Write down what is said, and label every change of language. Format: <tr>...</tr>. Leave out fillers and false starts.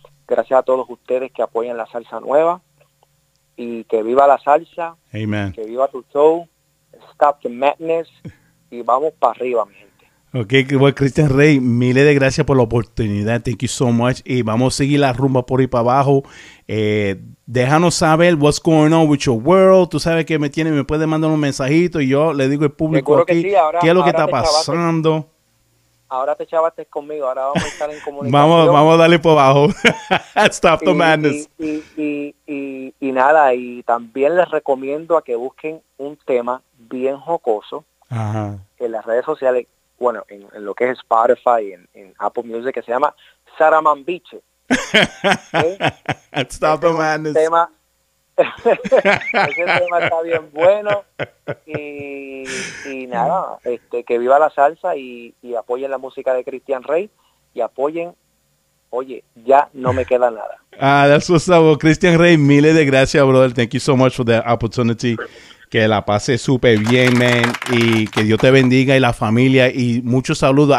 <es>Gracias a todos ustedes que apoyan la salsa nueva. Y que viva la salsa.</es> <en>Amen.</en> <es>Que viva tu show.</es> <en>Stop the madness.</en> <es>Y vamos para arriba, mi gente.</es> <en>Ok, well,</en> <es>Cristian Rey, miles de gracias por la oportunidad.</es> <en>Thank you so much.</en> <es>Y vamos a seguir la rumba por ahí para abajo. Déjanos saber</es> <en>what's going on with your world.</en> <es>Tú sabes que me tiene, me puedes mandar un mensajito y yo le digo al público aquí, que sí, ahora, qué es lo que está pasando. Ahora te chavaste conmigo, ahora vamos a estar en comunicación. Vamos a darle por abajo.</es> <en>Stop the madness.</en> <es>Y nada, y también les recomiendo a que busquen un tema bien jocoso. Ajá. En las redes sociales, bueno, en lo que es Spotify, en Apple Music, que se llama Saramambiche. ¿Sí?</es> <en>Stop the madness.</en> <es>Tema, ese tema está bien bueno y nada, que viva la salsa y apoyen la música de Cristian Rey y apoyen, oye, ya no me queda nada.</es> <en>Ah, that's what's up, Cristian Rey,</en> <es>miles de gracias,</es> <en>brother. Thank you so much for the opportunity.</en> <es>Que la pase súper bien, man, y que Dios te bendiga y la familia y muchos saludos.</es>